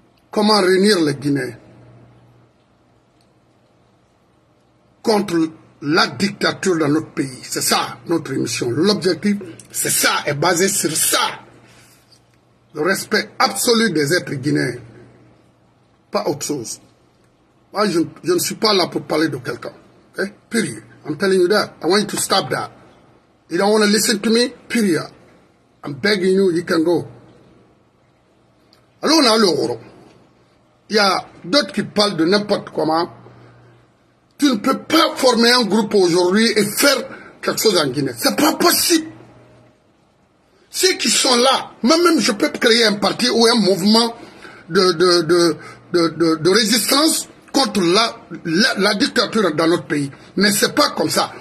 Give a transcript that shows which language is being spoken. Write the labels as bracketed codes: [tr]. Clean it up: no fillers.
[fr] Comment réunir les Guinéens contre la dictature dans notre pays. C'est ça, notre émission. L'objectif, c'est ça, est basé sur ça. Le respect absolu des êtres guinéens. Pas autre chose. Moi, je ne suis pas là pour parler de quelqu'un. [en] Okay? Period. I'm telling you that. I want you to stop that. You don't want to listen to me? Period. I'm begging you, you can go. [fr] Alors, on a l'euro. Il y a d'autres qui parlent de n'importe comment. Tu ne peux pas former un groupe aujourd'hui et faire quelque chose en Guinée. Ce n'est pas possible. Ceux qui sont là, moi-même, je peux créer un parti ou un mouvement de résistance contre la dictature dans notre pays. Mais c'est pas comme ça.